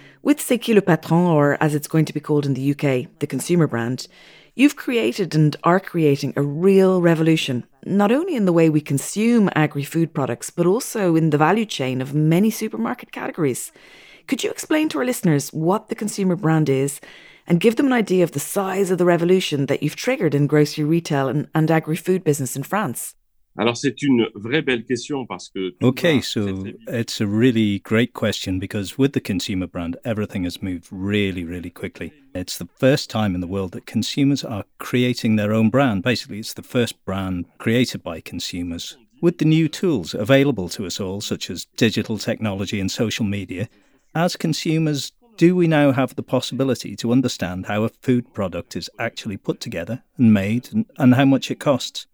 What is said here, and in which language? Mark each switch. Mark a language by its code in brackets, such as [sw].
[en] With C'est qui le patron, or as it's going to be called in the UK, the consumer brand, you've created and are creating a real revolution, not only in the way we consume agri-food products, but also in the value chain of many supermarket categories. Could you explain to our listeners what the consumer brand is and give them an idea of the size of the revolution that you've triggered in grocery retail and agri-food business in France? [fr] Alors, c'est une vraie belle question parce que [en] okay, so it's a really great question because with the consumer brand, everything has moved really, really quickly. It's the first time in the world that consumers are creating their own brand. Basically, it's the first brand created by consumers. With the new tools available to us all, such as digital technology and social media, as consumers, do we now have the possibility to understand how a food product is actually put together and made and how much it costs?